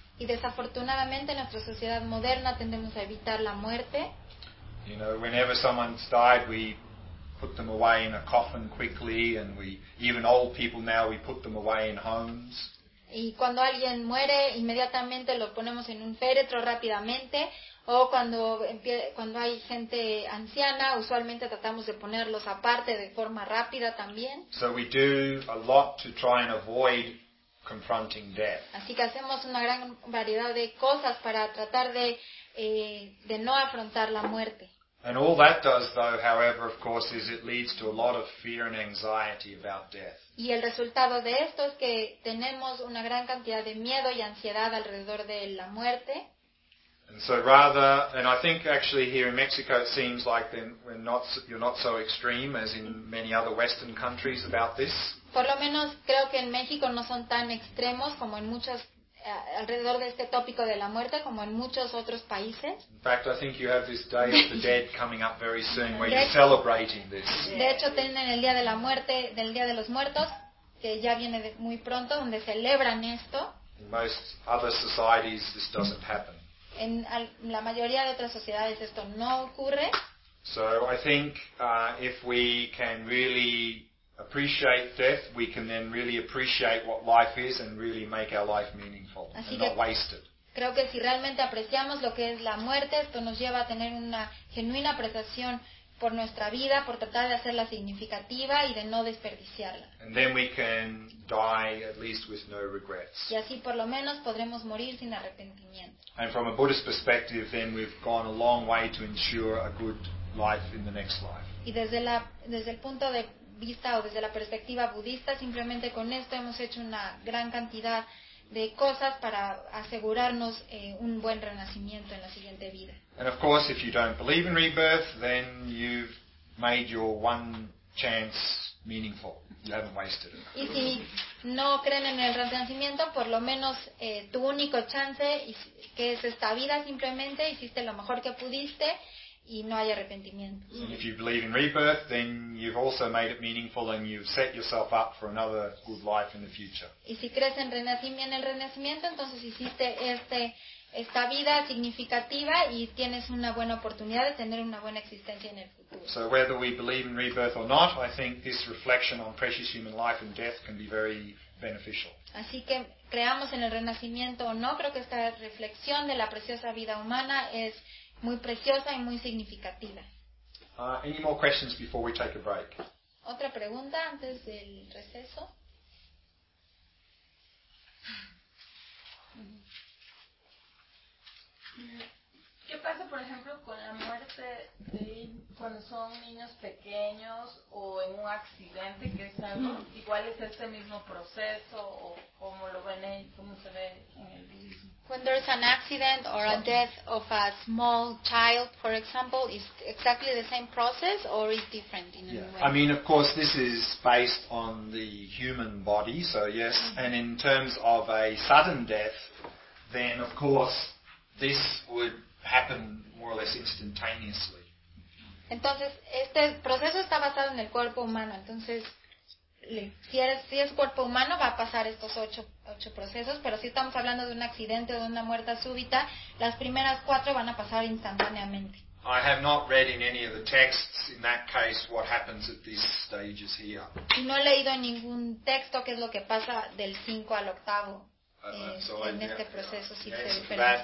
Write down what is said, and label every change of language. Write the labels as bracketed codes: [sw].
[es] Y desafortunadamente en nuestra sociedad moderna tendemos a evitar la muerte. [en] You know, whenever someone's died, we put them away in a coffin quickly, and we even old people now we put them away in homes. [es] Y cuando alguien muere, inmediatamente lo ponemos en un féretro rápidamente, o cuando hay gente anciana, usualmente tratamos de ponerlos aparte de forma rápida también. [en] So we do a lot to try and avoid confronting death. [es] Así que hacemos una gran variedad de cosas para tratar de no afrontar la muerte. [en] And all that does though, however, of course, is it leads to a lot of fear and anxiety about death. [es] Y el resultado de esto es que tenemos una gran cantidad de miedo y ansiedad alrededor de la muerte. [en] And so rather, and I think actually here in Mexico it seems like you're not so extreme as in many other Western countries about this. [es] Por lo menos creo que en México no son tan extremos como en muchas alrededor de este tópico de la muerte, como en muchos otros países. [en] In fact, I think you have this Day of the Dead coming up very soon, where you're celebrating this. [es] De hecho, tienen el Día de la Muerte, del Día de los Muertos, que ya viene muy pronto, donde celebran esto. [en] In most other societies, this doesn't happen. [es] En la mayoría de otras sociedades esto no ocurre. [en] So I think if we can really appreciate death, we can then really appreciate what life is and really make our life meaningful [es] Así [en] and not waste it. [es] Creo que si realmente apreciamos lo que es la muerte, esto nos lleva a tener una genuina apreciación por nuestra vida, por tratar de hacerla significativa y de no desperdiciarla. [en] And then we can die at least with no regrets. [es] Y así por lo menos podremos morir sin arrepentimiento. [en] And from a Buddhist perspective, then we've gone a long way to ensure a good life in the next life. [es] Y desde el punto de vista o desde la perspectiva budista, simplemente con esto hemos hecho una gran cantidad de cosas para asegurarnos un buen renacimiento en la siguiente vida. [en] And of course, if you don't believe in rebirth, then you've made your one chance meaningful. You haven't wasted it. [es] Y si no creen en el renacimiento, por lo menos tu único chance, que es esta vida, simplemente hiciste lo mejor que pudiste y no hay arrepentimiento. [en] So if you believe in rebirth, then you've also made it meaningful and you've set yourself up for another good life in the future. [es] Y si crees en el renacimiento, entonces hiciste esta vida significativa y tienes una buena oportunidad de tener una buena existencia en el futuro. [en] So whether we believe in rebirth or not, I think this reflection on precious human life and death can be very beneficial. [es] Así que creamos en el renacimiento o no, creo que esta reflexión de la preciosa vida humana es muy preciosa y muy significativa. [en] Any more questions before we take a break? [es] ¿Otra pregunta antes del receso? ¿Qué pasa, por ejemplo, con la muerte de cuando son niños pequeños o en un accidente, que es algo, igual es este mismo proceso o cómo lo ven ahí, cómo se ve en el budismo? [en] When there is an accident or a death of a small child, for example, is exactly the same process or is different in any way? I mean, of course, this is based on the human body, so yes. Mm-hmm. And in terms of a sudden death, then of course this would happen more or less instantaneously. [es] Entonces, este proceso está basado en el cuerpo humano, entonces Si es cuerpo humano, va a pasar estos ocho procesos, pero si estamos hablando de un accidente o de una muerte súbita, las primeras cuatro van a pasar instantáneamente. [en] I have not read in any of the texts in that case what happens at these stages here. [es] No he leído en ningún texto qué es lo que pasa del 5 al 8 este proceso, si se diferencia.